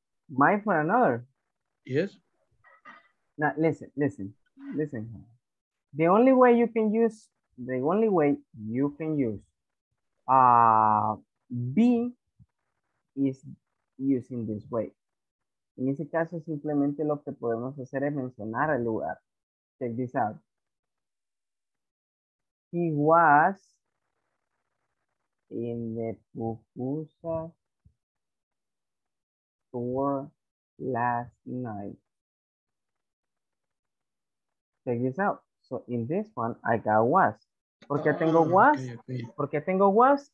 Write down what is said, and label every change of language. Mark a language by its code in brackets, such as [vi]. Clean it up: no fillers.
[en] Mine for another? Yes. Now, listen. The only way you can use be is using this way. [es] En ese caso, simplemente lo que podemos hacer es mencionar el lugar. [en] Check this out. He was in the pupusa store last night. check this out. So in this one, I got was. [es] ¿Por qué tengo was? [en] ¿Por qué tengo was?